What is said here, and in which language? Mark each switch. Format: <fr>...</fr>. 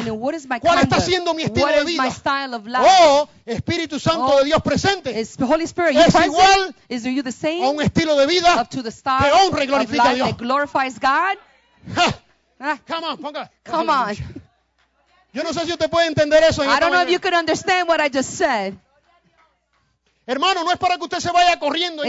<es>¿Cuál está siendo mi estilo de vida?</es> <en>My style of life?</en> <es>Oh, Espíritu Santo oh, de Dios presente.</es> <en>Is the Holy Spirit</en> <es>es</es> <en>present?</en> <es>Igual</es> <en>is you the same</en> <es>a un estilo de vida</es> <en>up to the style</en> <es>que honra y glorifica a Dios.</es> <en>That glorifies God? Come on,</en> <es>ponga.</es> <en>Come on.</en> <es>Yo no sé si usted puede entender eso.</es> <en>I don't know if you could understand what I just said.</en> <es>Hermano, no es para que usted se vaya corriendo en</es>